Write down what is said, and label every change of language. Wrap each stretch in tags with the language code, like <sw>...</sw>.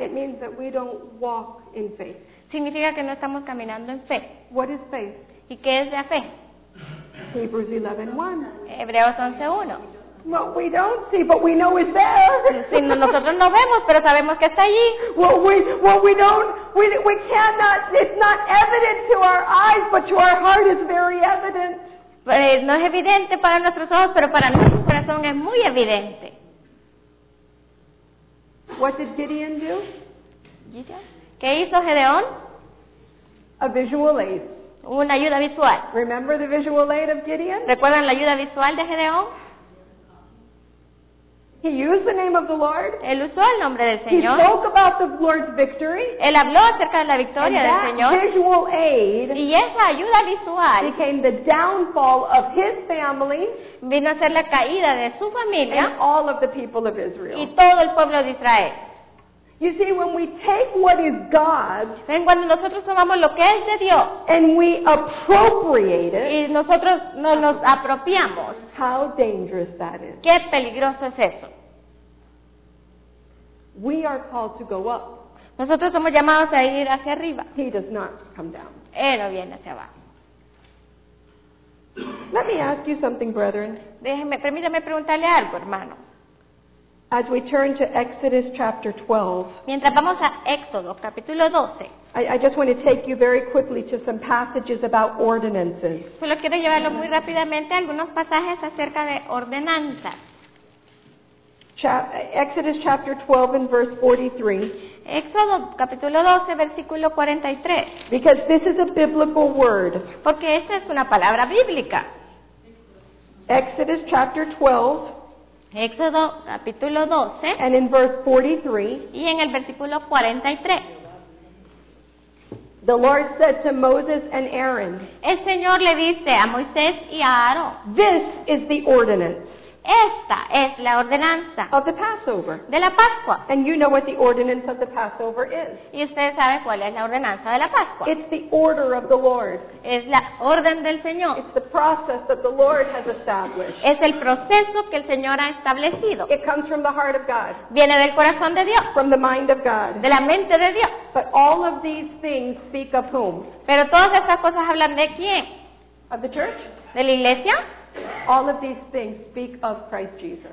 <en>it means that we don't walk in faith.</en> <es>Significa que no estamos caminando en fe.</es> <en>What is faith?</en> <es>¿Y qué es la fe?</es> <en>Hebrews 11:1. What we don't see, but we know it's there.</en> <es>Sí, nosotros no vemos, pero sabemos que está allí.</es> <en>What we cannot. It's not evident to our eyes, but to our heart is very evident.</en> <es>Pues no es evidente para nuestros ojos, pero para nuestro corazón es muy evidente.</es> <en>What did Gideon do?</en> <es>¿Qué hizo Gedeón?</es> <en>A visual aid.</en> <es>Una ayuda visual.</es> <en>Remember the visual aid of Gideon?</en> <es>¿Recuerdan la ayuda visual de Gedeón?</es> <en>He used the name of the Lord.</en> <es>Él usó el nombre del Señor.</es> <en>He spoke about the Lord's victory.</en> <es>Él habló acerca de la victoria del Señor.</es> <en>Visual aid.</en> <es>Y esa ayuda visual</es> <en>became the downfall of his family.</en> <es>Vino a ser la caída de su familia.</es> <en>And all of the people of Israel.</en> <es>Y todo el pueblo de Israel.</es> <en>You see, when we take what is God's,</en> <es>ven, cuando nosotros tomamos lo que es de Dios,</es> <en>and we appropriate it,</en> <es>y nosotros no nos apropiamos,</es> <en>how dangerous that is.</en> <es>Qué peligroso es eso.</es> <en>We are called to go up.</en> <es>Nosotros somos llamados a ir hacia arriba.</es> <en>He does not come down.</en> <es>Él no viene hacia abajo.</es> <en>Let me ask you something, brethren.</en> <es>Déjeme, permítame preguntarle algo, hermano.</es> <en>As we turn to Exodus chapter 12.</en> <es>Mientras vamos a Éxodo, capítulo 12.</es> <en>I just want to take you very quickly to some passages about ordinances.</en> <es>Solo quiero llevarlo muy rápidamente a algunos pasajes acerca de ordenanzas.</es> <en>Exodus chapter 12 and verse 43.</en> <es>Éxodo capítulo 12 versículo 43.</es> <en>Because this is a biblical word.</en> <es>Porque esta es una palabra bíblica.</es> <en>Exodus chapter 12.</en> <es>Éxodo capítulo 12.</es> <en>And in verse 43.</en> <es>Y en el versículo 43.</es> <en>The Lord said to Moses and Aaron.</en> <es>El Señor le dice a Moisés y a Aarón.</es> <en>This is the ordinance.</en> <es>Esta es la ordenanza</es> <en>of the Passover.</en> <es>De la Pascua.</es> <en>And you know what the ordinance of the Passover is.</en> <es>Y ustedes saben cuál es la ordenanza de la Pascua.</es> <en>It's the order of the Lord.</en> <es>Es la orden del Señor.</es> <en>It's the process that the Lord has established.</en> <es>Es el proceso que el Señor ha establecido.</es> <en>It comes from the heart of God.</en> <es>Viene del corazón de Dios.</es> <en>From the mind of God.</en> <es>De la mente de Dios.</es> <en>But all of these things speak of whom?</en> <es>Pero todas estas cosas hablan de quién?</es> <en>Of the church?</en> <es>De la iglesia.</es> <en>All of these things speak of Christ Jesus.</en>